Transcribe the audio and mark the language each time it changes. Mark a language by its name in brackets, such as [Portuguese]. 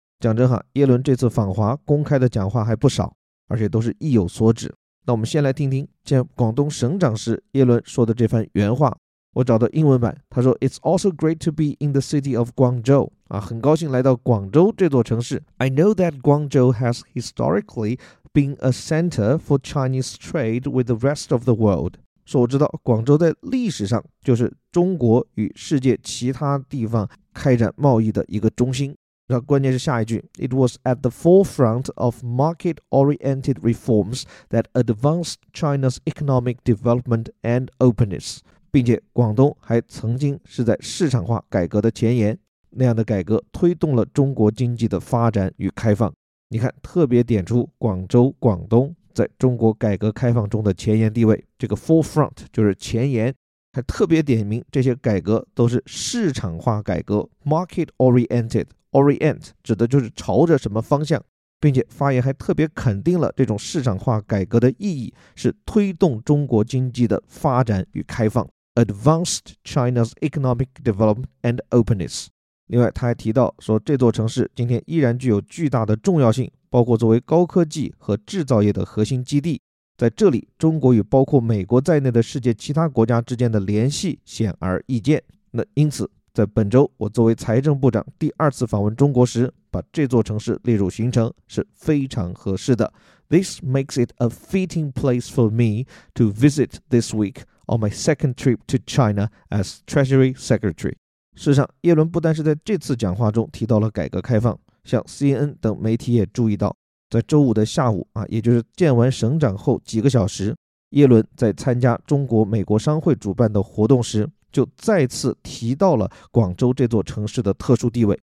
[Chinese] 讲真哈，耶伦这次访华公开的讲话还不少，而且都是意有所指。那我们先来听听见广东省长时耶伦说的这番原话，我找到英文版，他说 [English] It's also great to be in the city of Guangzhou、 [Chinese] 啊、很高兴来到广州这座城市。 [English] I know that Guangzhou has historically been a center for Chinese trade with the rest of the world. [Chinese] 说我知道广州在历史上就是中国与世界其他地方开展贸易的一个中心。那关键是下一句 [English] It was at the forefront of market-oriented reforms that advanced China's economic development and openness. [Chinese] 并且广东还曾经是在市场化改革的前沿，那样的改革推动了中国经济的发展与开放。你看，特别点出广州、广东在中国改革开放中的前沿地位，这个 forefront 就是前沿，还特别点名这些改革都是市场化改革 market-oriented。 Orient 指的就是朝着什么方向，并且发言还特别肯定了这种市场化改革的意义是推动中国经济的发展与开放 [English] Advanced China's economic development and openness。 [Chinese] 另外他还提到说这座城市今天依然具有巨大的重要性，包括作为高科技和制造业的核心基地，在这里中国与包括美国在内的世界其他国家之间的联系显而易见。那因此在本周我作为财政部长第二次访问中国时，把这座城市列入行程是非常合适的。 [English] This makes it a fitting place for me to visit this week on my second trip to China as Treasury Secretary. [Chinese] 事实上，耶伦不单是在这次讲话中提到了改革开放，像 CNN 等媒体也注意到，在周五的下午啊，也就是见完省长后几个小时，耶伦在参加中国美国商会主办的活动时就再次提到了广州这座城市的特殊地位。